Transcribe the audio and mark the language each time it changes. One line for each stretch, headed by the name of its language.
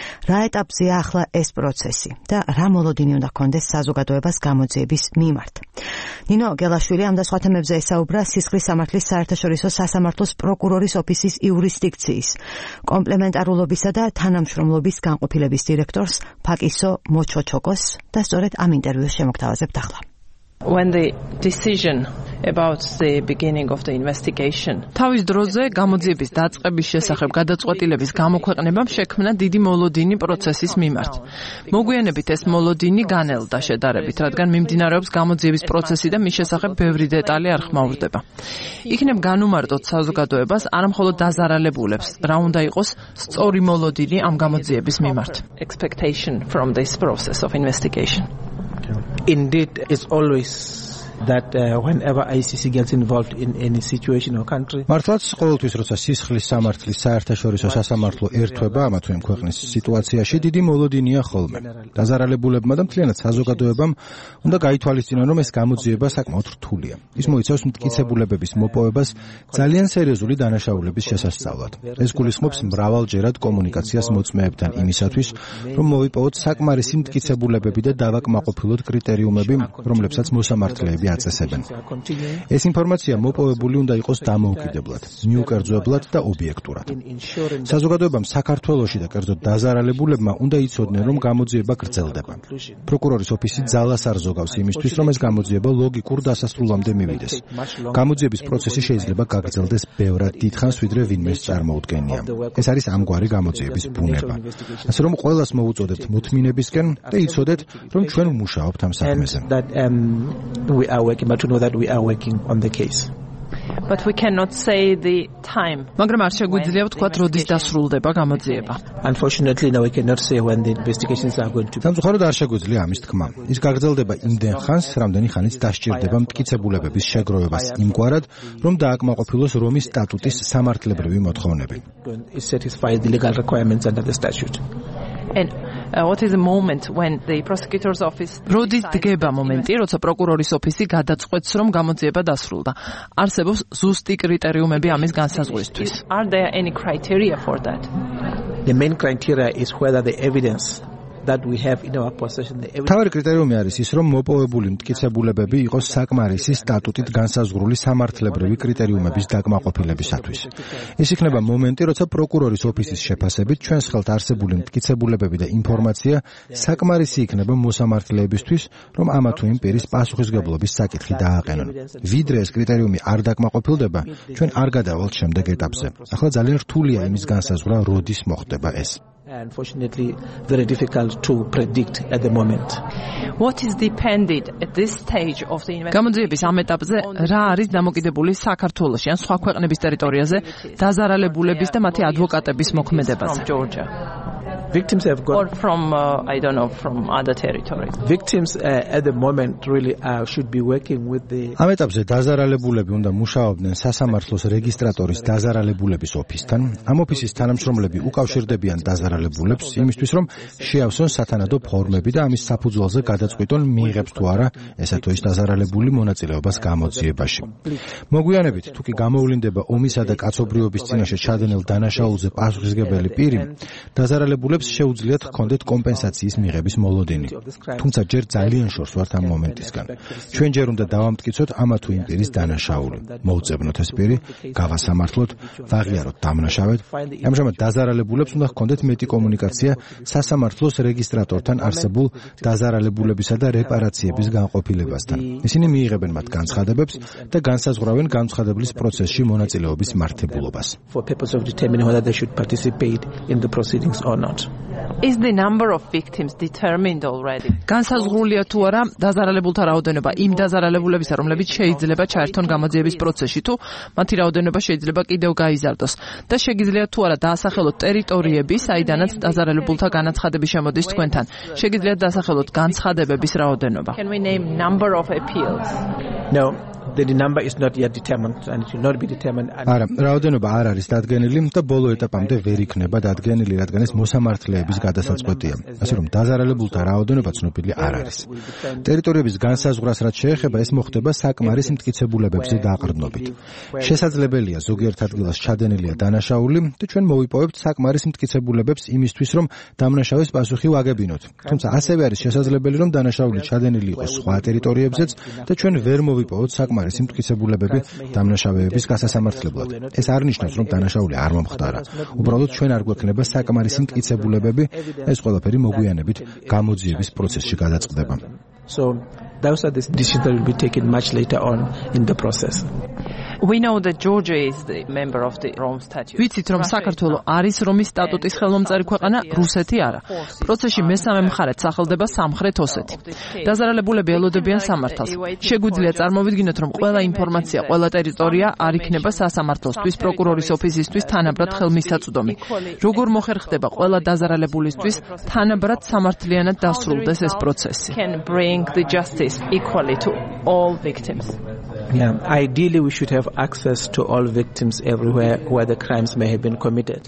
Georgian: რა ეტაპზეა ახლა ეს პროცესი და რა მოლოდინი უნდა ჰქონდეს საზოგადოებას გამოძიების მიმართ? ნინო გელაშვილი ამ და სხვა თემებზე ესაუბრა სისხლის სამართლის საერთაშორისო სასამართლოს პროკურორის ოფისის იურისდიქციის კომპლემენტარულობისა და თანამშრომლობის განყოფილების დირექტორს ფაკისო მოჩოჩოკოს და სწორედ ამ ინტერვიუს შემოგთავაზებთ ახლა.
English: When the decision about the beginning of the investigation.
Georgian: თავის დროზე გამოძიების დაწყების შესახებ გადაწყვეტილების გამოქვეყნებამ შექმნა დიდი მოლოდინი პროცესის მიმართ. მოგვიანებით ეს მოლოდინი განელდა შედარებით, რადგან მიმდინარეობს გამოძიების პროცესი და მის შესახებ ბევრი დეტალი არ ხმაურდება. იქნებ განუმარტოთ საზოგადოებას, არა მხოლოდ დაზარალებულებს, რა უნდა იყოს სწორი მოლოდინი ამ გამოძიების მიმართ.
English: Expectation from this process of investigation. Indeed, it's always that whenever ICC gets involved in any situation or country.
Georgian: მართლაც ყოველთვის როცა სისხლის სამართლის საერთაშორისო სასამართლო ერთვება ამა თუ იმ ქვეყნის სიტუაციაში დიდი მოლოდინია ხოლმე. დაზარალებულებმა და მთლიანად საზოგადოებამ უნდა გაითვალისწინონ, რომ ეს გამოძიება საკმაოდ რთულია. ის მოიცავს მტკიცებულებების მოპოვებას ძალიან სერიოზული დანაშაულების შესასწავლად. ეს გულისხმობს მრავალჯერად კომუნიკაციას მოწმეებთან იმისათვის, რომ მოიპოვოთ საკმარისი მტკიცებულებები და დავაკმაყოფილოთ კრიტერიუმები, რომლებსაც მოსამართლე ვიაცესებენ. ეს ინფორმაცია მოპოვებული უნდა იყოს დამოუკიდებლად, მიუკერძოებლად და ობიექტურად. საზოგადოებამ საქართველოში და კერძოდ დაზარალებულებმა უნდა იცოდნენ, რომ გამოძიება გრძელდება. პროკურორის ოფისი ძალას არ ზოგავს იმისთვის, რომ ეს გამოძიება ლოგიკურ დასასრულამდე მივიდეს. გამოძიების პროცესი შეიძლება გაგრძელდეს ბევრად დიდხანს, ვიდრე ვინმე წარმოუდგენია. ეს არის ამგვარი გამოძიების ბუნება. ასე რომ ყველას მოუწოდებთ მოთმინებისკენ და იცოდეთ, რომ ჩვენ მუშაობთ ამ საქმეზე.
English: We are working, but you know that we are working on the case. But we cannot say the time.
Georgian: მაგრამ არ შეგვიძლია ვთქვათ, როდის დასრულდება გამოძიება.
English: Unfortunately, we cannot say when the investigations are going to be.
Georgian: სამწუხაროდ არ შეგვიძლია ამის თქმა. ის გაგრძელდება იმდენ ხანს, რამდენი ხანით დასჭირდება მტკიცებულებების შეგროვებას იმგვარად, რომ დააკმაყოფილოს რომის სტატუტის სამართლებრივი მოთხოვნები.
English: It satisfies the legal requirements under the statute. And what is the moment when the prosecutor's office
Georgian: როდის დგება მომენტი, როცა პროკურორის ოფისი გადაწყვეტს, რომ გამოძიება დასრულდა? არსებობს ზუსტი კრიტერიუმები ამის განსაზღვრისთვის?
English: Are there any criteria for that? The main criteria is whether the evidence that we have in our possession the evidence.
Georgian: თავი კრიტერიუმი არის ის, რომ მოპოვებული მტკიცებულებები იყოს საკმარისი სტატუტით განსაზღვრული სამართლებრივი კრიტერიუმების დაკმაყოფილებისათვის. ეს იქნება მომენტი, როცა პროკურორის ოფისის შეფასებით ჩვენს ხელთ არსებული მტკიცებულებები და ინფორმაცია საკმარისი იქნება მოსამართლეებისთვის, რომ ამა თუ იმ პირის პასუხისგებლობის საკითხი დააყენონ. ვიდრე ეს კრიტერიუმი არ დაკმაყოფილდება, ჩვენ არ გადავალთ შემდეგ ეტაპზე. ახლა ძალიან რთულია იმის განსაზღვრა, როდის მოხდება ეს.
English: Unfortunately, very difficult to predict at the moment. What is dependent at this stage of the investigation?
Georgian: გამოძიების ამ ეტაპზე რა არის დამოკიდებული საქართველოს ან სხვა ქვეყნების ტერიტორიაზე დაზარალებულების და მათი ადვოკატების მოქმედებაზე?
English: Victims have got or from I don't know from other territories. Victims at the moment really should be working with the
Georgian: ამ ეტაპზე დაზარალებულები უნდა მუშაობდნენ სასამართლოს რეგისტრატორის დაზარალებულების ოფისთან. ამ ოფისის თანამშრომლები უკავშირდებიან დაზარალებულებს იმისთვის, რომ შეავსონ სათანადო ფორმები და ამის საფუძველზე გადაწყვიტონ, მიიღებს თუ არა ესა თუ ის დაზარალებული მონაწილეობას გამოძიებაში. მოგვიანებით, თუკი გამოვლინდება ომისა და კაცობრიობის წინაშე ჩადენილ დანაშაულზე პასუხისგებელი პირი, დაზარალებულებს შეუძლიათ ჰქონდეთ კომპენსაციის მიღების მოლოდინი. თუმცა ჯერ ძალიან შორს ვართ ამ მომენტისგან. ჩვენ ჯერ უნდა დავამტკიცოთ ამა თუ იმ პირის დანაშაული. მოუწებნოთ ეს პირი, გავასამართლოთ, ვაღიაროთ დამნაშავედ. ამჟამად დაზარალებულებს უნდა ჰქონდეთ მეტი კომუნიკაცია სასამართლოს რეგისტრატორთან არსებულ დაზარალებულებისა და რეპარაციების განყოფილებასთან. ისინი მიიღებენ მათ განცხადებებს და განსაზღვრავენ განცხადებლის პროცესში მონაწილეობის მართებულობას.
English: For purpose of determining whether they should participate in the proceedings or not. Is the number of victims determined already?
Georgian: განსაზღვრულია თუ არა დაზარალებულთა რაოდენობა იმ დაზარალებულების რომლებიც შეიძლება ჩაერთონ გამოძიების პროცესში თუ მათი რაოდენობა შეიძლება კიდევ გაიზარდოს და შეიძლება თუ არა დაასახელოთ ტერიტორიები საიდანაც დაზარალებულთა განაცხადები შემოდის თქვენთან შეიძლება დაასახელოთ განცხადებების რაოდენობა
English: Can we name number of appeals? No. The number is not yet determined and it will not be determined.
Georgian: Ара, რაოდენობა არ არის დადგენილი და ბოლო ეტაპამდე ვერ იქნება დადგენილი, რადგან ეს მოსამართლეების გადასაწყვეტია. ასე რომ დაზარალებულთა რაოდენობა ცნობილი არ არის. ტერიტორიების განსაზღვრას რაც შეეხება, ეს მოხდება საკმარის მტკიცებულებებზე დაყრდნობით. შესაძლებელია ზოგიერთ ადგილას ჩადენილია დანაშაული და ჩვენ მოვიპოვებთ საკმარის მტკიცებულებებს იმისთვის, რომ დამნაშავეს პასუხი ვაგებინოთ. თუმცა ასევე არის შესაძლებელი, რომ დანაშაული ჩადენილი იყოს სხვა ტერიტორიებზეც და ჩვენ ვერ მოვიპოვოთ საკმარის მტკიცებულებები დამნაშავეების გასასამართლებლად. ეს არ ნიშნავს, რომ დანაშაული არ მომხდარა. უბრალოდ ჩვენ არ გვექნება საკმარის მტკიცებულებები, ეს ყველაფერი მოგვიანებით გამოძიების პროცესში გადაწყდება.
English: So those are the decisions that will be taken much later on in the process. We know that Georgia is the member of the Rome Statute.
Georgian: ვიცით რომ საქართველო არის რომის სტატუტის ხელმომწერი ქვეყანა, რუსეთი არა. პროცესში მესამე მხარეც სახელდება სამხრეთ ოსეთი. დაზარალებულები ელოდებიან სამართალს. შეგვიძლია წარმოვიდგინოთ რომ ყველა ინფორმაცია, ყველა ტერიტორია არ იქნება სასამართლოსთვის, პროკურორის ოფისისთვის თანაბრად ხელმისაწვდომი. როგორ მოხერ ხდება ყველა დაზარალებულისთვის თანაბრად სამართლიანად დასრულდეს ეს პროცესი?
English: Bring the justice equally to all victims. Yeah, ideally we should have access to all victims everywhere where the crimes may have been committed.